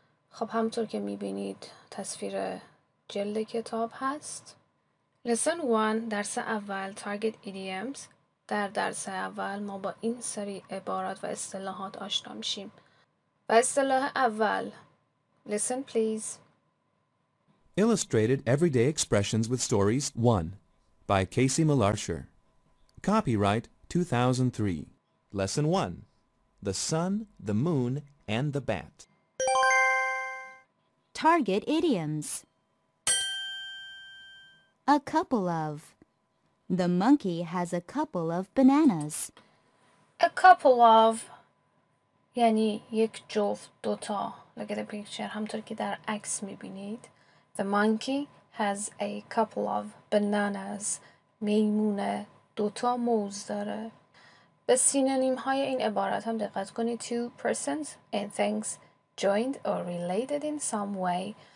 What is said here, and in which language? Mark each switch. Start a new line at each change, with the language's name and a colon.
Persian: خب همطور که میبینید تصویر جلد کتاب هست.
English: Lesson 1،
Persian: درس اول،
English: Target Idioms.
Persian: در درس اول ما با این سری عبارات و اصطلاحات آشنا میشیم. و اصطلاح اول،
English: Listen please. Illustrated Everyday Expressions with Stories 1 by Casey Malarcher. Copyright 2003. Lesson 1. The Sun, the Moon, and the Bat. Target Idioms. A couple of. The monkey has a couple of bananas. A couple of.
Persian: یعنی یک جفت، دوتا.
English: Look at the picture.
Persian: همطور که در عکس میبینید.
English: The monkey has a couple of bananas.
Persian: میمونه دوتا موز داره. به سینونیم های این عبارت هم دقت کنید.
English: Two persons and things joined or related in some way.